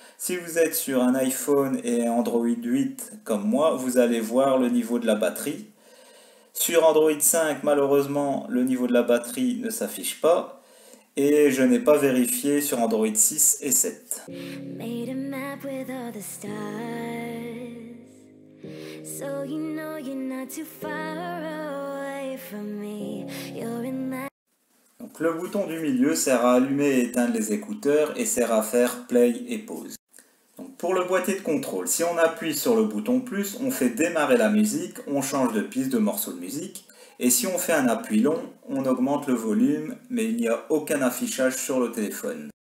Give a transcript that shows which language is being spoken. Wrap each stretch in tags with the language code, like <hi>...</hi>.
<fr>Si vous êtes sur un iPhone et Android 8 comme moi, vous allez voir le niveau de la batterie. Sur Android 5, malheureusement, le niveau de la batterie ne s'affiche pas. Et je n'ai pas vérifié sur Android 6 et 7.</fr> <en>Made a map with all the stars. So you know you're not too far away from me. You're in my...</en> <fr>Donc le bouton du milieu sert à allumer et éteindre les écouteurs et sert à faire play et pause. Donc pour le boîtier de contrôle, si on appuie sur le bouton plus, on fait démarrer la musique, on change de piste de morceau de musique. Et si on fait un appui long, on augmente le volume, mais il n'y a aucun affichage sur le téléphone.</fr>